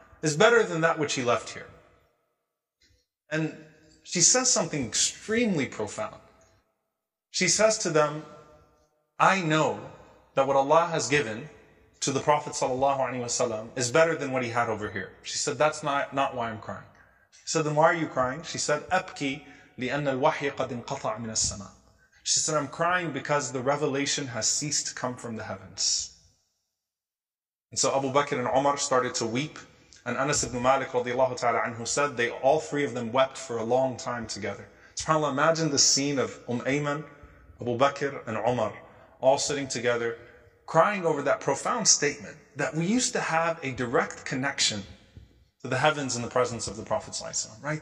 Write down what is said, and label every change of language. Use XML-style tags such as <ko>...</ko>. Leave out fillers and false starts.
<en>is better than that which he left here. And she says something extremely profound. She says to them, I know that what Allah has given to the Prophet ﷺ is better than what he had over here. She said, that's not why I'm crying. She said, then why are you crying? She said,</en> <ar>أَبْكِي لِأَنَّ الْوَحْيَ قَدْ انْقَطَعْ مِنَ السَّمَاءِ.</ar> <en>She said, I'm crying because the revelation has ceased to come from the heavens. And so Abu Bakr and Umar started to weep. And Anas ibn Malik radiallahu ta'ala anhu said, they all three of them wept for a long time together. SubhanAllah, imagine the scene of Ayman, Abu Bakr and Umar all sitting together, crying over that profound statement that we used to have a direct connection to the heavens in the presence of the Prophet ﷺ, right?</en>